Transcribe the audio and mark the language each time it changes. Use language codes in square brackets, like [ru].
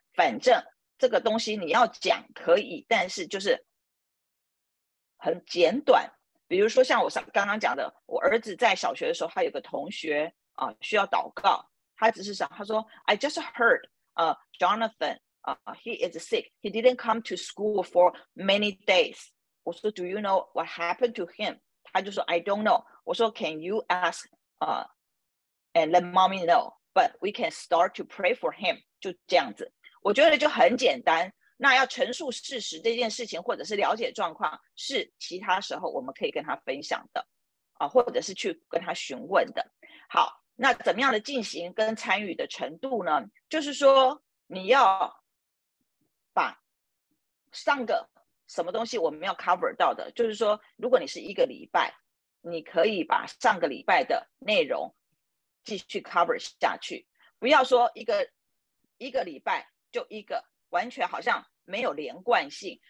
[zh] 反正这个东西你要讲可以，但是就是很简短。比如说像我刚刚讲的，我儿子在小学的时候，他有个同学需要祷告，他只是想，他说 [en] I just heard Jonathan he is sick, he didn't come to school for many days. [zh] 我说 [en] Do you know what happened to him? [zh] 他就说 [en] I don't know. [zh] 我说 [en] Can you ask and let mommy know, but we can start to pray for him. [zh] 就这样子，我觉得就很简单。那要陈述事实这件事情，或者是了解状况，是其他时候我们可以跟他分享的或者是去跟他询问的。好，那怎么样的进行跟参与的程度呢？就是说你要把上个什么东西我们要 cover 到的，就是说如果你是一个礼拜，你可以把上个礼拜的内容继续 cover 下去，不要说一个礼拜就一个，完全好像没有连贯性。